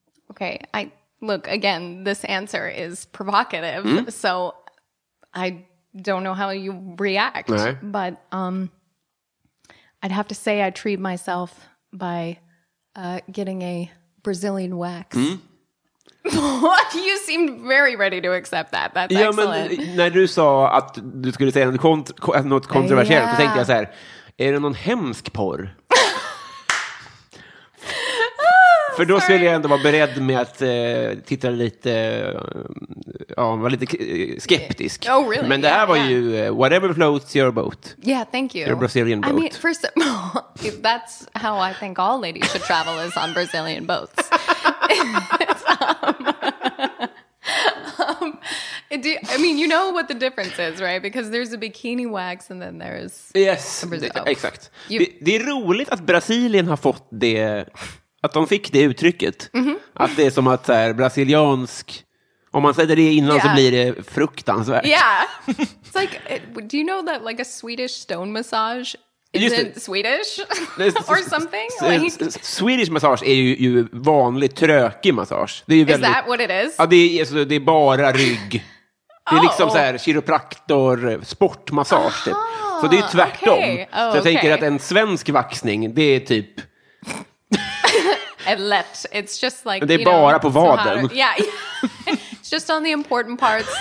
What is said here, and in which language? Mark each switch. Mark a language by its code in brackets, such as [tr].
[en] Okay, I look again. This answer is provocative, so I don't know how you react. Right. But I'd have to say I treat myself. By getting a Brazilian wax. You seemed very ready to accept that. That's excellent. [sv] Men när du sa att du skulle säga något kontroversiellt, så tänkte jag så här, är det någon hemsk porr? För då skulle jag ändå vara beredd med att titta lite, vara lite skeptisk. [en] Oh, really? [sv] Men det här var ju [en] whatever floats your boat. Yeah, thank you. Your Brazilian boat. I mean, first, that's how I think all ladies should travel is on Brazilian boats. you know what the difference is, right? Because there's a bikini wax and then there's... Yes, exakt. [sv] Det är roligt att Brasilien har fått det... Att de fick det uttrycket. Att det är som att så här, brasiliansk... Om man säger det innan så blir det fruktansvärt. [en] Yeah. It's like, do you know that like a Swedish stone massage isn't Swedish? Or something? [sv] Swedish massage är ju vanlig trökig massage. Det är ju väldigt, [en] is that what it is? [sv] Ja, det är bara rygg. Det är liksom så här, kiropraktor, sportmassage. Uh-huh. Så det är tvärtom. Okay. Oh, så jag tänker att en svensk vaxning, det är typ... [en] It's just like, [sv] det är bara på vaden. [en] Yeah. It's just on the important parts.